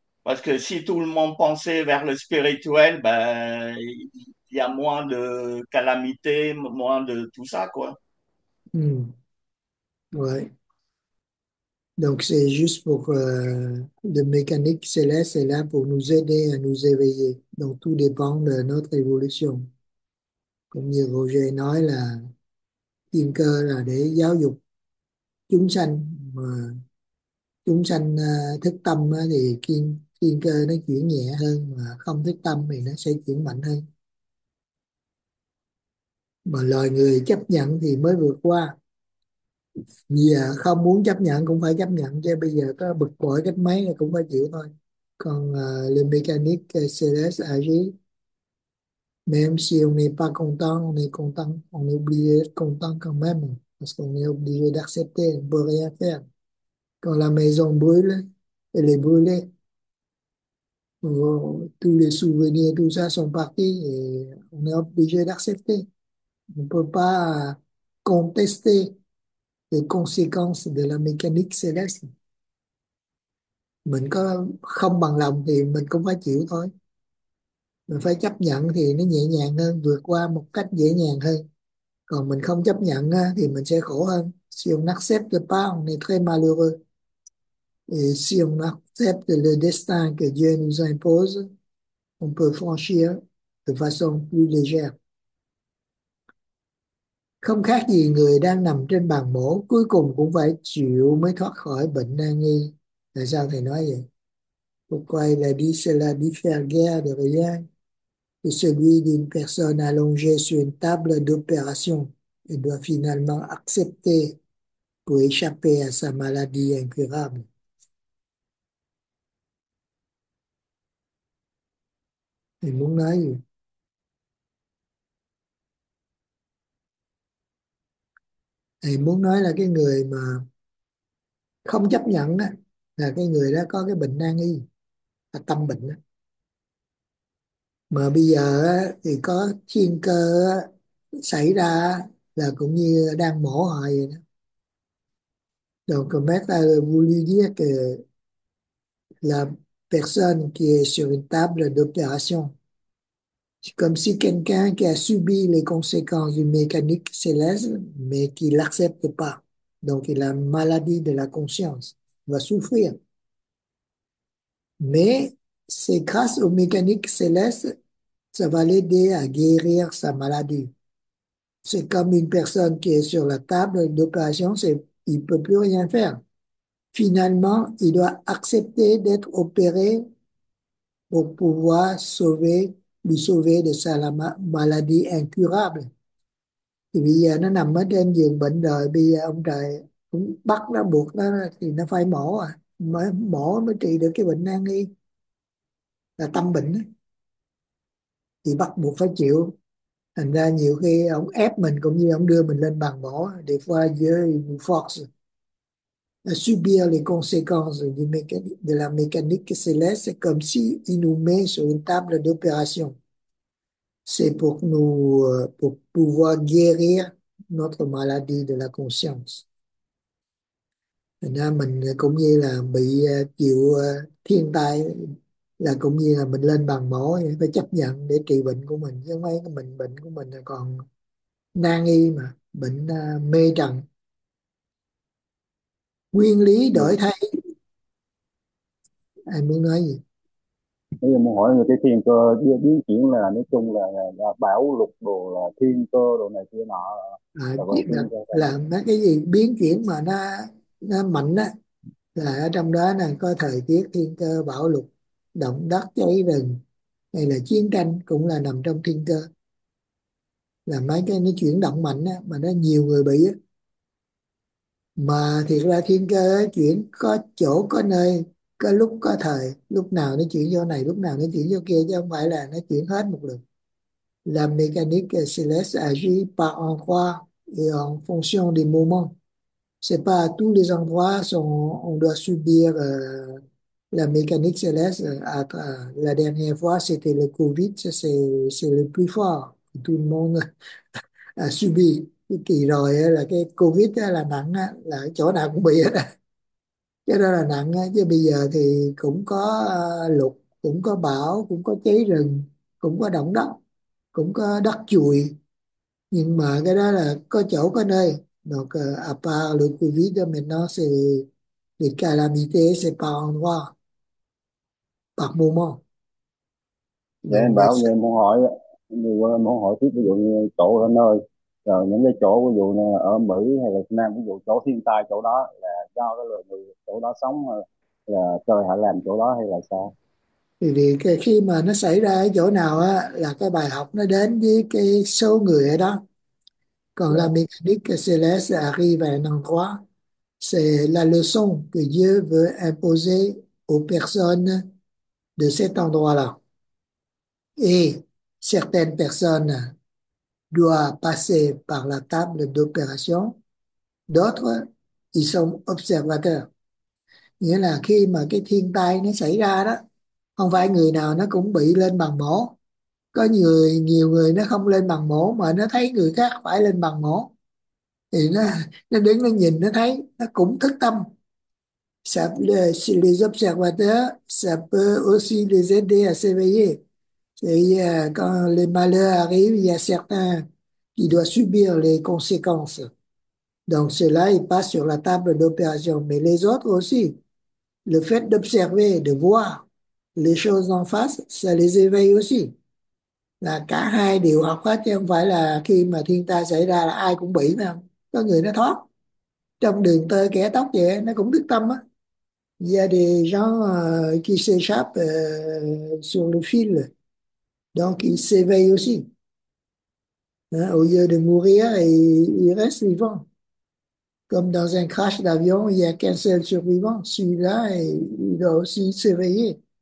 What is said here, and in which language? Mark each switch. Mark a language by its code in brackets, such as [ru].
[fr] Parce que si tout le monde pensait vers le spirituel, ben, il y a moins de calamités, moins de tout ça, quoi. Ouais. Donc c'est juste pour la mécanique céleste est là pour nous aider à nous éveiller. Donc tout dépend de notre évolution. [vi] Comme như Roger nói là thiên cơ là để giáo dục chúng sanh, mà chúng sanh thức tâm thì thiên cơ nó chuyển nhẹ hơn, mà không thức tâm thì nó sẽ chuyển mạnh hơn. Mà loài người chấp nhận thì mới vượt qua. Giờ không muốn chấp nhận cũng phải chấp nhận, chứ bây giờ có bực bội cách mấy là cũng phải chịu thôi. [fr] Còn le mécanique céleste agit, même si on n'est pas content, on est obligé d'être content quand même, parce qu'on est obligé d'accepter, on ne peut rien faire. Quand la maison brûle, elle est brûlée. Tous les souvenirs, tout ça sont partis et on est obligé d'accepter. On ne peut pas contester les conséquences de la mécanique céleste. [vi] Mình có không bằng lòng thì mình cũng phải chịu thôi. Mình phải chấp nhận thì nó nhẹ nhàng hơn, vượt qua một cách dễ nhàng hơn. Còn mình không chấp nhận thì mình sẽ khổ hơn. [fr] Si on n'accepte pas, on est très malheureux. Et si on accepte le destin que Dieu nous impose, on peut franchir de façon plus légère. [vi] Không khác gì người đang nằm trên bàn mổ, cuối cùng cũng phải chịu mới thoát khỏi bệnh nan y. Tại sao thầy nói vậy? [fr] Pourquoi la vie, c'est la vie faire guère de rien que celui d'une personne allongée sur une table d'opération et doit finalement accepter pour échapper à sa maladie incurable. [vi] Thì muốn nói gì? Thì muốn nói là cái người mà không chấp nhận đó, là cái người đó có cái bệnh nan y, là tâm bệnh đó. Mà bây giờ thì có thiên cơ xảy ra là cũng như đang mổ hoài vậy đó. [fr] Donc, maître a voulu dire que la personne qui est sur une table d'opération, c'est comme si quelqu'un qui a subi les conséquences d'une mécanique céleste, mais qui l'accepte pas. Donc, il a une maladie de la conscience. Il va souffrir. Mais c'est grâce aux mécaniques célestes, ça va l'aider à guérir sa maladie. C'est comme une personne qui est sur la table d'opération, il ne peut plus rien faire. Finalement, il doit accepter d'être opéré pour pouvoir lui sauver de sa maladie incurable. [vi] Et bây giờ nó nằm ở trên giường bệnh rồi, bây giờ ông trời cũng bắt nó, buộc nó thì nó phải mổ à. Mới mổ mới trị được cái bệnh nan y là tâm bệnh ấy. Thì bắt buộc phải chịu. Thành ra nhiều khi ông ép mình cũng như ông đưa mình lên bàn mổ để qua dưới [fr] force subir les conséquences de la mécanique céleste comme si il nous met sur une table d'opération. C'est pour pouvoir guérir notre maladie de la conscience. [vi] Thành ra mình cũng như là bị chịu thiên tai là cũng như là mình lên bàn mổ phải chấp nhận để trị bệnh của mình, chứ mấy cái bệnh của mình là còn nan y mà bệnh mê trần. Nguyên lý đổi thay, ai muốn nói gì? Bây giờ muốn hỏi người cái thiên cơ đưa biến chuyển là nói chung là bão lục đồ là thiên cơ đồ này kia nọ À, là vận thiên cơ là mấy cái gì biến chuyển mà nó mạnh á, là ở trong đó là có thời tiết thiên cơ, bão lụt, động đất, cháy rừng hay là chiến tranh cũng là nằm trong thiên cơ, là mấy cái nó chuyển động mạnh á, mà nó nhiều người bị á. Mà thiệt ra thiên cơ á, chuyển có chỗ có nơi, có lúc có thời, lúc nào nó chuyển vô này, lúc nào nó chuyển vô kia, chứ không phải là nó chuyển hết một lượt. [fr] La mécanique céleste agit par endroit et en fonction des moments. Ce n'est pas à tous les endroits on doit subir la mécanique céleste. La dernière fois, c'était le COVID, c'est le plus fort que tout le monde a subi. [vi] Kỳ rồi là cái COVID là nặng, là chỗ nào cũng bị hết. Cái đó là nặng, chứ bây giờ thì cũng có lụt, cũng có bão, cũng có cháy rừng, cũng có động đất, cũng có đất chuội. Nhưng mà cái đó là có chỗ có nơi. [fr] Donc, à part le COVID, maintenant, c'est les calamités, c'est par endroit, par moment. [vi] để anh [fr] Donc, [vi] bảo vậy muốn hỏi người muốn hỏi tiếp, ví dụ như chỗ ở nơi rồi những cái chỗ ví dụ ở Mỹ hay là Việt Nam, ví dụ chỗ thiên tai chỗ đó là do cái lượng người chỗ đó sống là trời họ làm chỗ đó hay là sao? thì khi mà nó xảy ra ở chỗ nào á, là cái bài học nó đến với cái số người ở đó. [fr] Còn la mécanique céleste arrive à un endroit, c'est la leçon que Dieu veut imposer aux personnes de cet endroit-là. Et certaines personnes doivent passer par la table d'opération, d'autres, ils sont observateurs. [vi] Nghĩa là khi mà cái thiên tai nó xảy ra đó, không phải người nào nó cũng bị lên bàn mổ. Có nhiều người nó không lên bàn mổ mà nó thấy người khác phải lên bàn mổ thì nó đứng nó nhìn nó thấy nó cũng thức tâm. [fr] Sập les observateurs, sập aussi les aider à s'éveiller. Thì quand le malheur arrive, il y a certains qui doivent subir les conséquences. Donc cela il passe sur la table d'opération, mais les autres aussi. Le fait d'observer, de voir les choses en face, ça les éveille aussi. [vi] Là cả hai đều học hết, chứ không phải là khi mà thiên tai xảy ra là ai cũng bị nào. Có người nó thoát. Trong đường tơ kẻ tóc vậy, nó cũng thức tâm á. [fr] Il y a des gens qui s'échappent sur le fil. Donc ils s'éveillent aussi. Hein? Au lieu de mourir, ils restent vivants. Comme dans un crash d'avion, il n'y a qu'un seul survivant. Celui-là, il doit aussi s'éveiller.